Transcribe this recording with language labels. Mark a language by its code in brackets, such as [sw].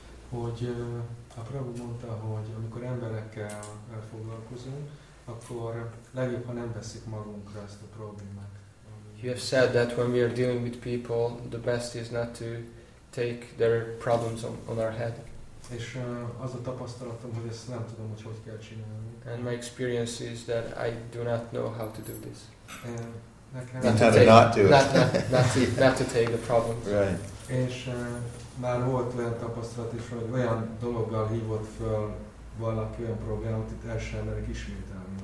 [hu] Hogy a Prabhu mondta, hogy amikor emberekkel foglalkozunk, akkor legjobb, ha nem veszik magunkra ezt a problémát. [en] You have said that when we are dealing with people, the best is not to take their problems on our head. [hu] És az a tapasztalatom, hogy ezt nem tudom, hogy hogy kell csinálni. [en] And my experience is that I do not know how to do this. Not to take the problem. Right. [hu] És már volt olyan tapasztalat is, hogy olyan dologgal hívott föl valaki olyan problémát, itt el sem merik ismételni.